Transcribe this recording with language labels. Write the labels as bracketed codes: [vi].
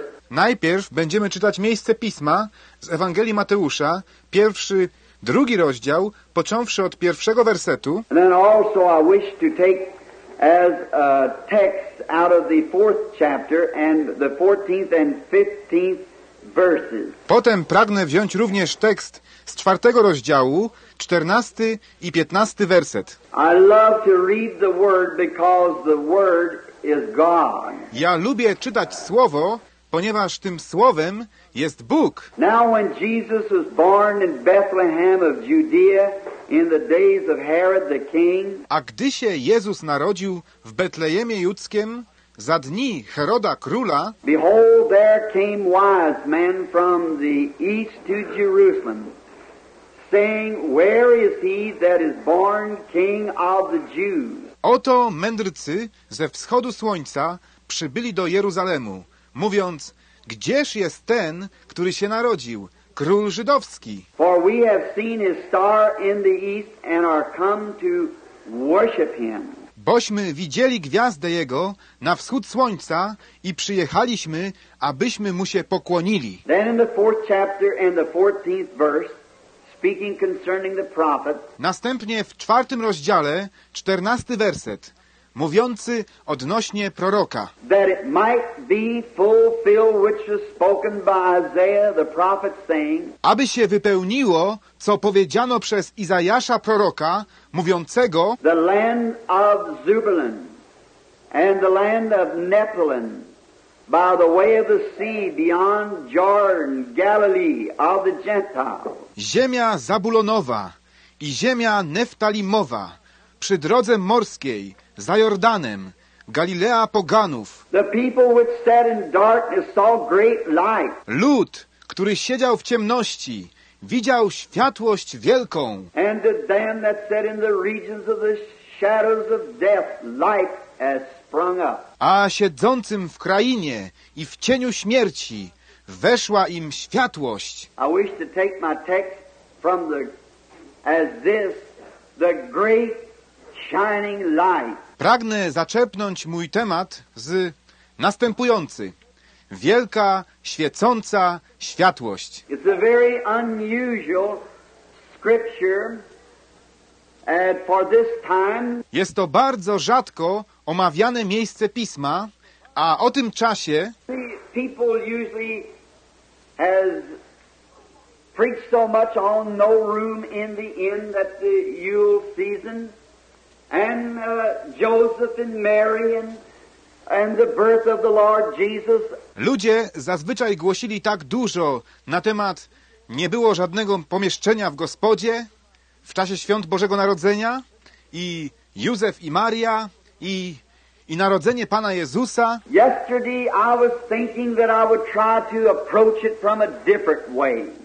[pl] Najpierw będziemy czytać miejsce pisma z Ewangelii Mateusza, pierwszy, drugi rozdział, począwszy od pierwszego wersetu. [en] And then also I wish to take as a text out of the fourth chapter and the 14th and 15th verses. [pl] Potem pragnę wziąć również tekst z czwartego rozdziału, 14 i 15 werset. [en] I love to read the word because the word is God. [pl] Ja lubię czytać słowo, ponieważ tym słowem jest Bóg. [en] Now when Jesus was born in Bethlehem of Judea, in the days of Herod the king. [pl] A gdy się Jezus narodził w Betlejemie Judzkim, za dni Heroda króla, [en] behold, there came wise men from the east to Jerusalem, saying, where is he that is born king of the Jews? [pl] Oto mędrcy ze wschodu słońca przybyli do Jeruzalemu, mówiąc, gdzież jest ten, który się narodził, król żydowski? [en] For we have seen his star in the east and are come to worship him. [pl] Bośmy widzieli gwiazdę jego na wschód słońca i przyjechaliśmy, abyśmy mu się pokłonili. [en] Then in the fourth chapter and the 14th verse, speaking concerning the prophet. [pl] Następnie w czwartym rozdziale, 14 werset, mówiący odnośnie proroka. [en] That it might be fulfilled which was spoken by Isaiah the prophet saying. [pl] Aby się wypełniło, co powiedziano przez Izajasza proroka, mówiącego. [en] The land of Zebulun and the land of Naphtali, by the way of the sea beyond Jordan, Galilee of the Gentiles. [pl] Ziemia Zabulonowa i ziemia Neftalimowa, przy drodze morskiej, za Jordanem, Galilea poganów. [en] The people which sat in darkness saw great light. [pl] Lud, który siedział w ciemności, widział światłość wielką. [en] And to them that sat in the regions of the shadows of death, light has sprung up. [pl] A siedzącym w krainie i w cieniu śmierci weszła im światłość. [en] I wish to take my text from the as this the great shining light. [pl] Pragnę zaczerpnąć mój temat z następujący. Wielka, świecąca światłość. [en] It's a very unusual scripture for this time. [pl] Jest to bardzo rzadko omawiane miejsce pisma, a o tym czasie [en] people usually has preached so much on no room in the inn that the Yule season. And Joseph and Mary and the birth of the Lord Jesus. [pl] Ludzie zazwyczaj głosili tak dużo na temat nie było żadnego pomieszczenia w gospodzie w czasie świąt Bożego Narodzenia i Józef i Maria i narodzenie Pana Jezusa. [en] Yesterday I was thinking that I would try to approach it from a different way.